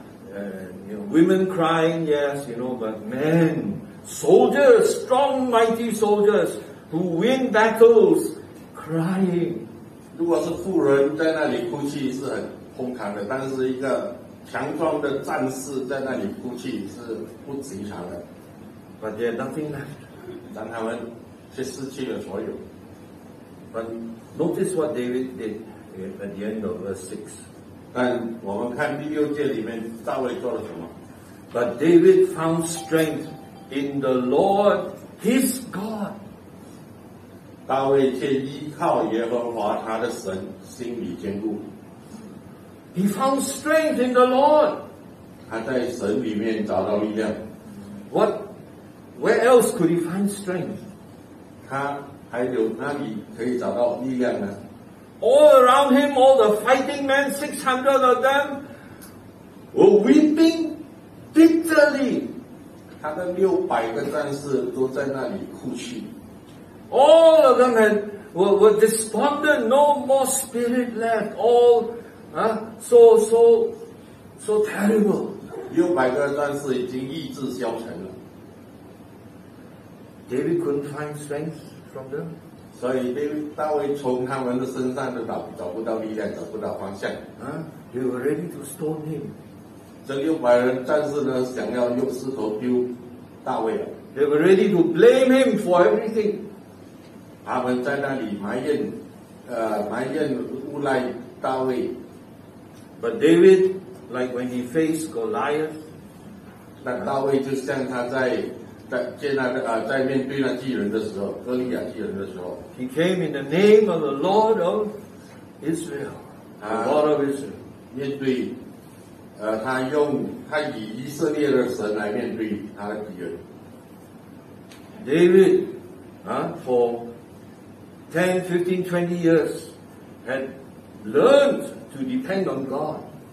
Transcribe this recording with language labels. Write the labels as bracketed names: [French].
[English] Women crying, yes, you know, but men, soldiers, strong, mighty soldiers who win battles, crying. [Chinese] 如果是妇人在那里哭泣是很荒唐的，但是一个强壮的战士在那里哭泣是不寻常的。 [English] But there's nothing left. [Chinese] 让他们却失去了所有。 [English] But notice what David did at the end of verse 6. [Chinese] 但我们看第六节里面大卫做了什么 [English] ？But David found strength in the Lord his God. [Chinese] 大卫却依靠耶和华他的神，心里坚固。 [English] He found strength in the Lord. [Chinese] 他在神里面找到力量。 [English] Where else could he find strength? [Chinese] 他还有哪里可以找到力量呢？ [English] All around him, all the fighting men, 600 of them, were weeping bitterly. [Chinese] 他的600个战士都在那里哭泣。 [English] All of them were despondent, no more spirit left, so terrible. [Chinese] 600个战士已经意志消沉了。 [English] David couldn't find strength from them. [Chinese] 所以大卫从他们的身上都找不到力量，找不到方向。 [English] They were ready to stone him. [Chinese] 这600人战士呢，想要用石头丢大卫了。 [English] They were ready to blame him for everything. [Chinese] 他们在那里埋怨诬赖大卫。 [English] But David, like when he faced Goliath, [Chinese] 那大卫就像他在面对那巨人的时候，哥利亚巨人的时候 [English] ，He came in the name of the Lord of Israel, the God of Israel. [Chinese] 面对，他以以色列的神来面对他的敌人。 [English] David, for 10, 15, 20 years had learned to depend on God.